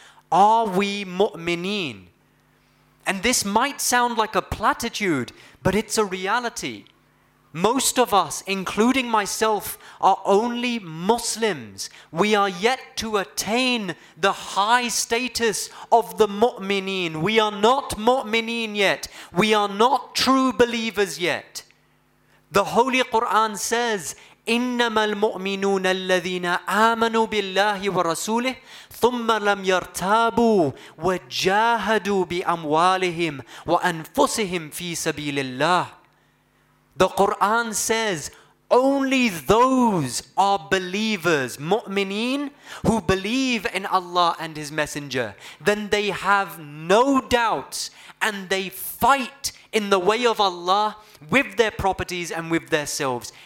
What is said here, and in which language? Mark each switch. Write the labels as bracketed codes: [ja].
[en] Are we mu'mineen? And this might sound like a platitude, but it's a reality. Most of us, including myself, are only Muslims. We are yet to attain the high status of the mu'mineen. We are not mu'mineen yet. We are not true believers yet. The Holy Quran says, [ar] إِنَّمَا الْمُؤْمِنُونَ الَّذِينَ آمَنُوا بِاللَّهِ وَرَسُولِهِ ثُمَّ لَمْ يَرْتَابُوا وَجَاهَدُوا بِأَمْوَالِهِمْ وَأَنفُسِهِمْ فِي سَبِيلِ اللَّهِ. [en] The Quran says, only those are believers, mu'mineen, who believe in Allah and His Messenger. Then they have no doubts and they fight in the way of Allah with their properties and with their selves.